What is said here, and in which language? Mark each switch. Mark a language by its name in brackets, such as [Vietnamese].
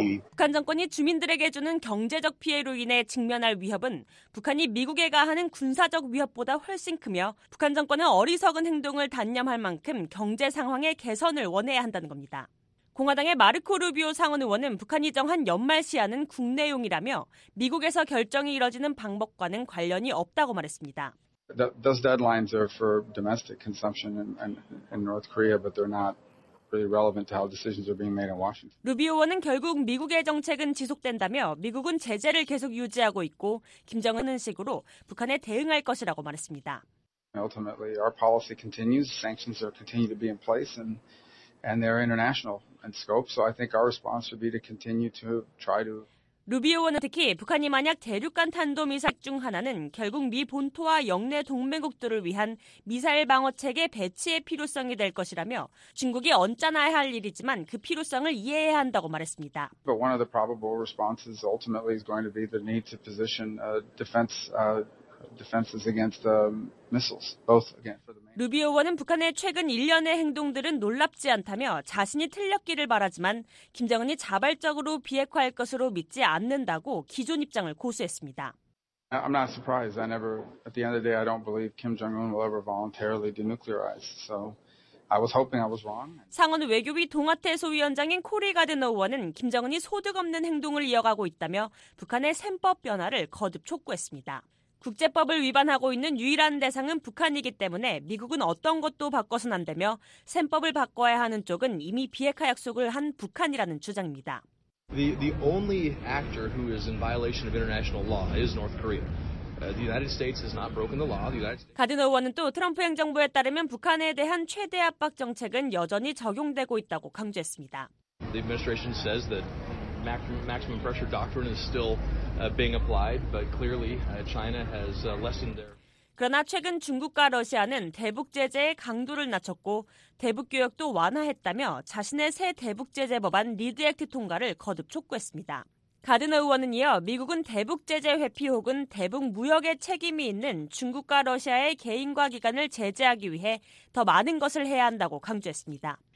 [Korean] 북한 정권이 주민들에게 주는 경제적 피해로 인해 직면할 위협은 북한이 미국에 가하는 군사적 위협보다 훨씬 크며 북한 정권은 어리석은 행동을 단념할 만큼 경제 상황의 개선을 원해야 한다는 겁니다. 공화당의 마르코 루비오 상원 의원은 북한이 정한 연말 시한은 국내용이라며 미국에서 결정이 이뤄지는 방법과는 관련이 없다고 말했습니다. [English] Those deadlines are for domestic consumption in North Korea, but they're not. Really relevant to how decisions are being made in Washington. [Korean] 루비오 의원은 결국 미국의 정책은 지속된다며 미국은 제재를 계속 유지하고 있고 김정은은 식으로 북한에 대응할 것이라고 말했습니다. [English] Ultimately, our policy continues. Sanctions are continue to be in place, and they're international in scope. So I think our response would be to continue to try to. [Korean] 루비오 의원은 특히 북한이 만약 대륙간 탄도미사일 중 하나는 결국 미 본토와 영내 동맹국들을 위한 미사일 방어 체계 배치의 필요성이 될 것이라며 중국이 언짢아야 할 일이지만 그 필요성을 이해해야 한다고 말했습니다. [English] But one of the probable responses ultimately is going to be the need to position defenses against missiles, both again for the main. [Korean] 루비오 의원은 북한의 최근 일련의 행동들은 놀랍지 않다며 자신이 틀렸기를 바라지만 김정은이 자발적으로 비핵화할 것으로 믿지 않는다고 기존 입장을 고수했습니다. [English] I'm not surprised. I never, at the end of the day, I don't believe Kim Jong-un will ever voluntarily denuclearize. So I was hoping I was wrong. [Korean] 상원 외교위 동아태 소위원장인 코리 가드너 의원은 김정은이 소득 없는 행동을 이어가고 있다며 북한의 셈법 변화를 거듭 촉구했습니다. 국제법을 위반하고 있는 유일한 대상은 북한이기 때문에 미국은 어떤 것도 바꿔선 안 되며 셈법을 바꿔야 하는 쪽은 이미 비핵화 약속을 한 북한이라는 주장입니다. [English] The only actor who is in violation of international law is North Korea. The United States has not broken the law. The United States. [Korean] 가드너 의원은 또 트럼프 행정부에 따르면 북한에 대한 최대 압박 정책은 여전히 적용되고 있다고 강조했습니다. [English] The administration says that maximum pressure doctrine is still being applied, but clearly China has lessened their. [Korean] 그러나 최근 중국과 러시아는 대북 제재의 강도를 낮췄고 대북 교역도 완화했다며 자신의 새 대북 제재 법안 리드 액트 통과를 거듭 촉구했습니다. 가드너 의원은 이어 미국은 대북 제재 회피 혹은 대북 무역의 책임이 있는 중국과 러시아의 개인과 기관을 제재하기 위해 더 많은 것을 해야 한다고 강조했습니다.